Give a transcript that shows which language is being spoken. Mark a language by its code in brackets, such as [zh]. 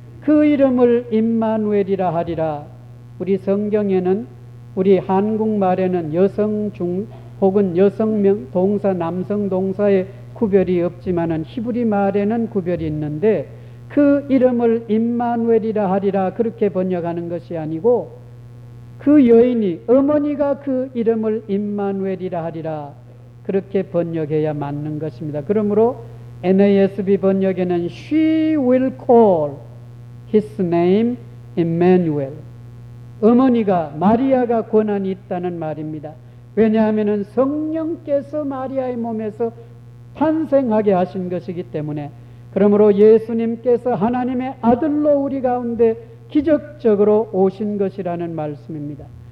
[ko] 그 이름을 임마누엘이라 하리라. 우리 성경에는 우리 한국말에는 여성 중 혹은 여성명 동사 남성 동사의 구별이 없지만은 히브리 말에는 구별이 있는데 그 이름을 임마누엘이라 하리라 그렇게 번역하는 것이 아니고 그 여인이 어머니가 그 이름을 임마누엘이라 하리라 그렇게 번역해야 맞는 것입니다. 그러므로 NASB 번역에는 [en] She will call his name Emmanuel. [ko] 어머니가 마리아가 권한이 있다는 말입니다. 왜냐하면 성령께서 마리아의 몸에서 탄생하게 하신 것이기 때문에 그러므로 예수님께서 하나님의 아들로 우리 가운데 기적적으로 오신 것이라는 말씀입니다.